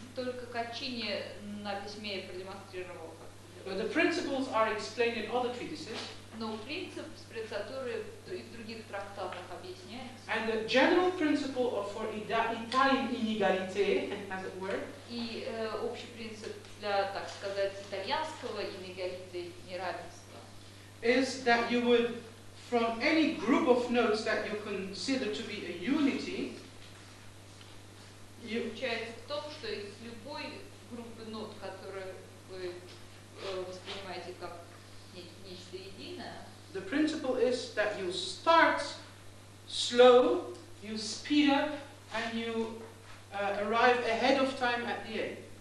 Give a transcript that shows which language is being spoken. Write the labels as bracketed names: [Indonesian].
[Russian] Только Caccini на письме продемонстрировал. [English] But the principles are explained in other treatises. [Russian] Но принцип спрецатуры и в других трактатах объясняется. [English] And the general principle of for Italian inegalite, as it were. [Russian] И общий принцип для, так сказать, итальянского inegalite, неравенства. [English] Is that you would from any group of notes that you consider to be a unity, [Russian] заключается в том, что из любой группы нот, которую вы воспринимаете как нечто единое, [English] the principle is that you start slow, you speed up, and you arrive ahead of time at the end.